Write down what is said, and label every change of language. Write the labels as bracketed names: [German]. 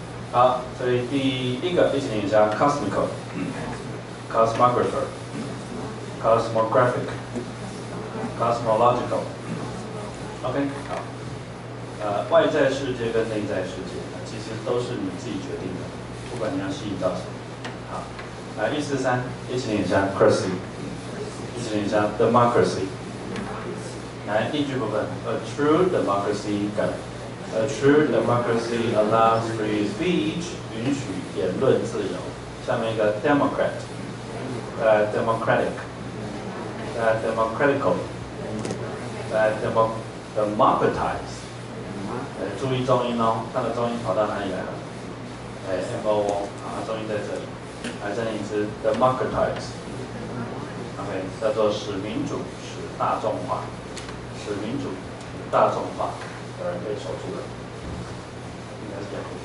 [Chinese] 好，所以第一个一起念一下 [English] cosmical， cosmographer， cosmographic， cosmological。 [Chinese] OK， 好。外在世界跟内在世界，其实都是你自己决定的，不管你要吸引到什么。好，一四三，一起念一下 ，cracy， 一起念一下 ，democracy。来，例句部分 ，a true democracy， 改 ， [English] a true democracy allows free speech， [Chinese] 允许言论自由。下面一个 [English] democrat， 再 democratic， 再 democratical， 再 democratize。 [Chinese] 注意重音哦，看的重音跑到哪里来了？ MO， 啊，重音在这里。来，再念一次 ，democratize。OK， 叫做使民主使大众化，使民主使大众化，有人可以守住的，应该是这样。